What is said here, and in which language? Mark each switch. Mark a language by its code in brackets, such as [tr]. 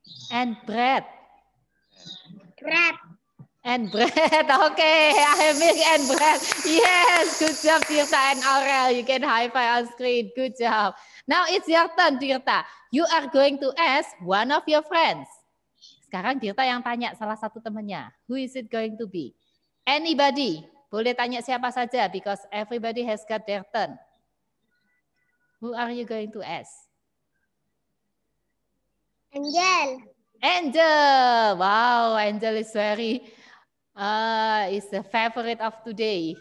[en] And bread. Bread. And bread, okay, I milk and bread. Yes, good job, Tirta and Aurel. You can high five on screen, good job. Now it's your turn, Tirta. You are going to ask one of your friends. [id] Sekarang Tirta yang tanya salah satu temannya. [en] Who is it going to be? Anybody, [id] boleh tanya siapa saja [en] because everybody has got their turn. Who are you going to ask? Angel. Angel, wow, Angel is very... it's the favorite of today.